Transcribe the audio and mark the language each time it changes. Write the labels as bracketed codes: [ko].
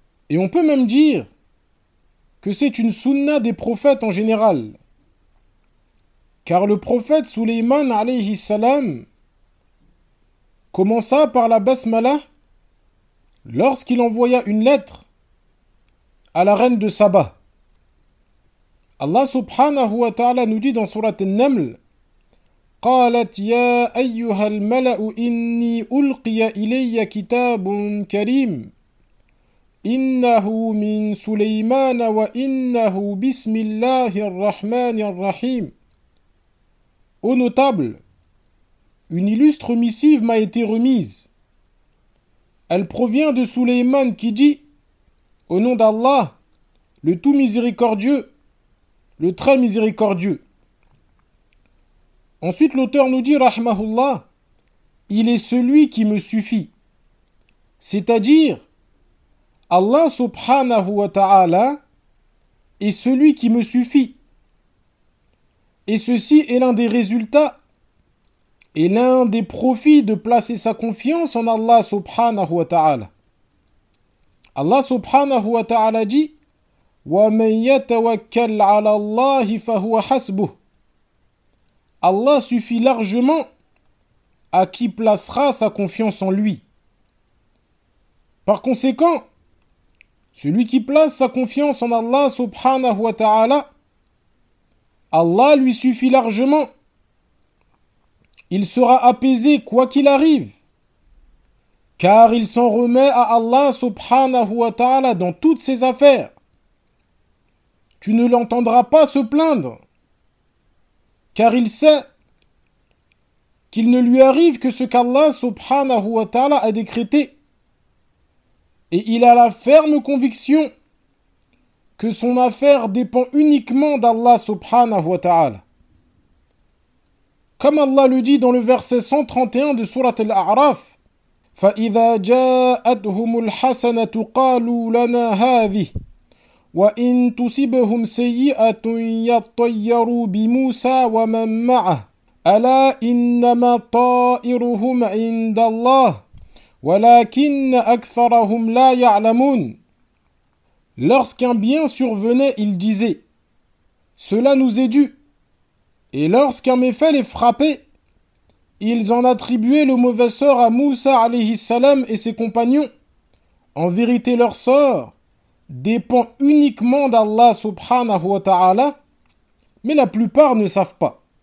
[fr] Et on peut même dire que c'est une sunna des prophètes en général. Car le prophète Suleyman alayhi salam commença par la basmala lorsqu'il envoya une lettre à la reine de Saba. Allah subhanahu wa ta'ala nous dit dans sourate An-Naml: [ar] قالت يا أيها الملأ إني ألقي إلي كتاب كريم إنه من سليمان وإنه بسم الله الرحمن الرحيم. [fr] Ô notable, une illustre missive m'a été remise. Elle provient de Suleyman qui dit: au nom d'Allah, le tout miséricordieux, le très miséricordieux. Ensuite, l'auteur nous dit, Rahmahullah, il est celui qui me suffit. C'est-à-dire, Allah subhanahu wa ta'ala, et celui qui me suffit. Et ceci est l'un des résultats et l'un des profits de placer sa confiance en Allah subhanahu wa ta'ala. Allah subhanahu wa ta'ala dit: [ar] وَمَنْ يَتَوَكَّلْ عَلَى اللَّهِ فَهُوَ حَسْبُهُ. [fr] Allah suffit largement à qui placera sa confiance en lui. Par conséquent, celui qui place sa confiance en Allah subhanahu wa ta'ala, Allah lui suffit largement. Il sera apaisé quoi qu'il arrive, car il s'en remet à Allah subhanahu wa ta'ala dans toutes ses affaires. Tu ne l'entendras pas se plaindre, car il sait qu'il ne lui arrive que ce qu'Allah subhanahu wa ta'ala a décrété. Et il a la ferme conviction que son affaire dépend uniquement d'Allah subhanahu wa ta'ala. Comme Allah le dit dans le verset 131 de sourate Al-A'raf, [ar] فَإِذَا جَاءَتْهُمُ الْحَسَنَةُ قَالُوا لَنَا هَذِهِ وَإِنْ تُصِبْهُمْ سَيِّئَةٌ يَطَّيَّرُوا بِمُوسَى وَمَنْ مَعَهُ أَلَا إِنَّمَا طَائِرُهُمْ عِنْدَ اللَّهِ وَلَكِنَّ أَكْثَرَهُمْ لَا يَعْلَمُونَ. [fr] Lorsqu'un bien survenait, il disait: cela nous est dû. Et lorsqu'un méfait les frappait, ils en attribuaient le mauvais sort à Moussa alayhi salam et ses compagnons. En vérité, leur sort dépend uniquement d'Allah subhanahu wa ta'ala, mais la plupart ne savent pas.